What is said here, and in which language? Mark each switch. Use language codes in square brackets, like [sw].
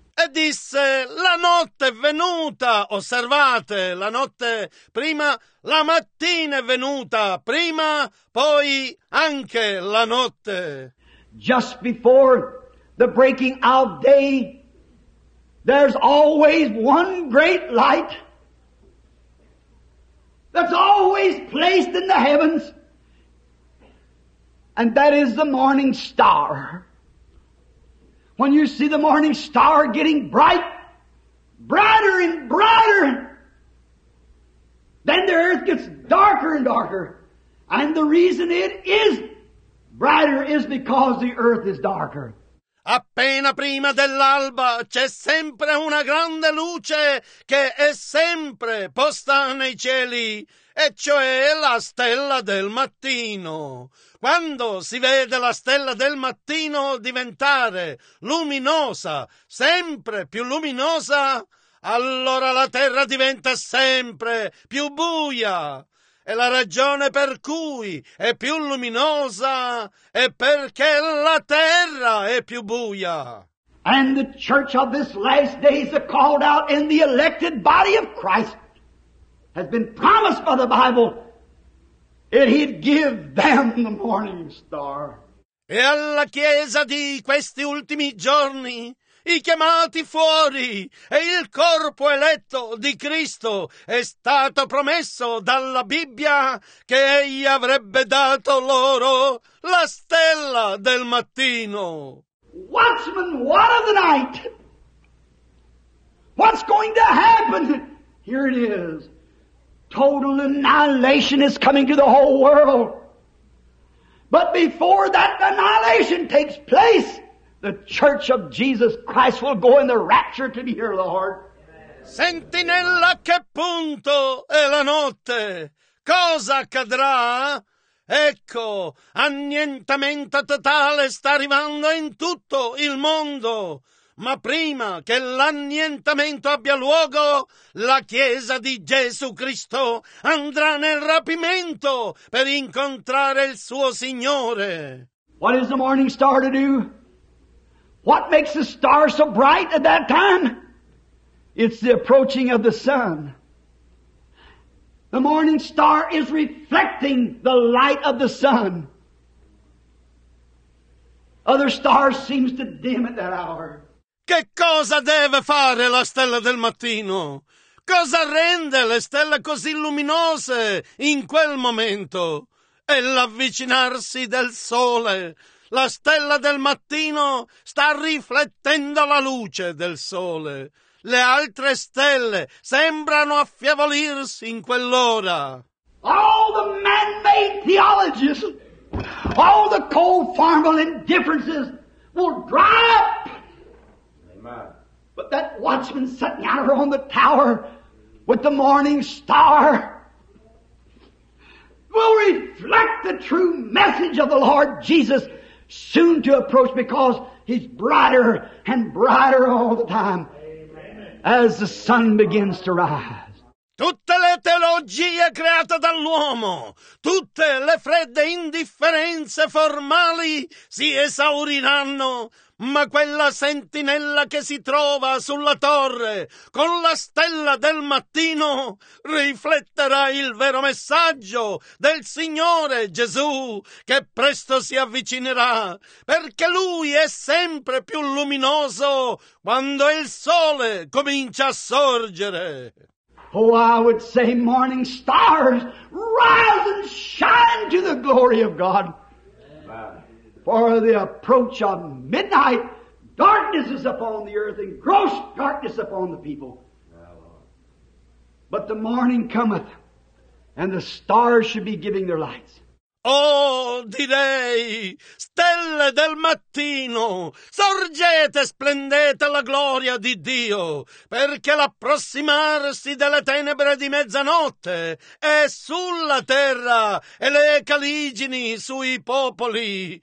[it] E disse, la notte è venuta, osservate, la notte prima, la mattina è venuta, prima, poi anche la notte. [en] Just before the breaking of day, there's always one great light that's always placed in the heavens, and that is the morning star. When you see the morning star getting bright, brighter and brighter, then the earth gets darker and darker. And the reason it is brighter is because the earth is darker. [it] Appena prima dell'alba c'è sempre una grande luce che è sempre posta nei cieli, e cioè la stella del mattino. Quando si vede la stella del mattino diventare luminosa, sempre più luminosa, allora la terra diventa sempre più buia. E la ragione per cui è più luminosa è perché la terra è più buia. [en] And the church of this last day is called out in the elected body of Christ. Has been promised by the Bible that he'd give them the morning star. [it] E alla chiesa di questi ultimi giorni, i chiamati fuori e il corpo eletto di Cristo è stato promesso dalla Bibbia che egli avrebbe dato loro la stella del mattino. [en] Watchman, what of the night? What's going to happen? Here it is. Total annihilation is coming to the whole world. But before that annihilation takes place, the Church of Jesus Christ will go in the rapture to hear the Lord. [it] Sentinella, che punto è la notte? Cosa accadrà? Ecco, annientamento totale sta arrivando in tutto il mondo. Ma prima che l'annientamento abbia luogo, la Chiesa di Gesù Cristo andrà nel rapimento per incontrare il suo Signore. [en] What is the morning star to do? What makes the star so bright at that time? It's the approaching of the sun. The morning star is reflecting the light of the sun. Other stars seem to dim at that hour. [it] Che cosa deve fare la stella del mattino? Cosa rende le stelle così luminose in quel momento? È l'avvicinarsi del sole. La stella del mattino sta riflettendo la luce del sole. Le altre stelle sembrano affievolirsi in quell'ora. [en] All the man-made theologies, all the cold formal indifferences will dry up. Amen. But that watchman sitting out on the tower with the morning star will reflect the true message of the Lord Jesus soon to approach, because he's brighter and brighter all the time. As the sun begins to rise. [it] Tutte le teologie create dall'uomo, tutte le fredde indifferenze formali si esauriranno, ma quella sentinella che si trova sulla torre con la stella del mattino rifletterà il vero messaggio del Signore Gesù, che presto si avvicinerà, perché Lui è sempre più luminoso quando il sole comincia a sorgere. [en] Oh, I would say, morning stars, rise and shine to the glory of God. For the approach of midnight, darkness is upon the earth and gross darkness upon the people. But the morning cometh, and the stars should be giving their lights. [it] Oh, direi, stelle del mattino, sorgete, splendete la gloria di Dio, perché l'approssimarsi delle tenebre di mezzanotte è sulla terra e le caligini sui popoli.